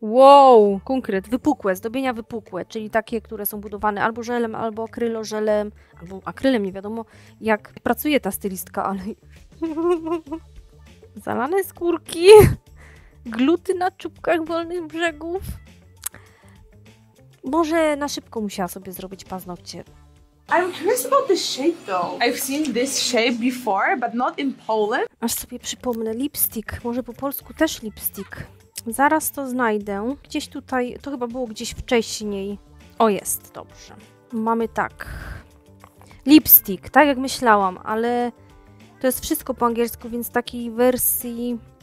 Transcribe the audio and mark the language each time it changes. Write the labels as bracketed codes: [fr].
[pl] Wow, konkret, wypukłe, zdobienia wypukłe, czyli takie, które są budowane albo żelem, albo akrylożelem, albo akrylem, nie wiadomo jak pracuje ta stylistka, ale... Zalane skórki, gluty na czubkach wolnych brzegów. Może na szybko musiała sobie zrobić paznokcie. [en] I'm curious about the shape though. I've seen this shape before, but not in Poland. [pl] Aż sobie przypomnę, lipstick. Może po polsku też lipstick. Zaraz to znajdę. Gdzieś tutaj, to chyba było gdzieś wcześniej. O, jest, dobrze. Mamy tak. Lipstick, tak jak myślałam, ale to jest wszystko po angielsku, więc takiej wersji...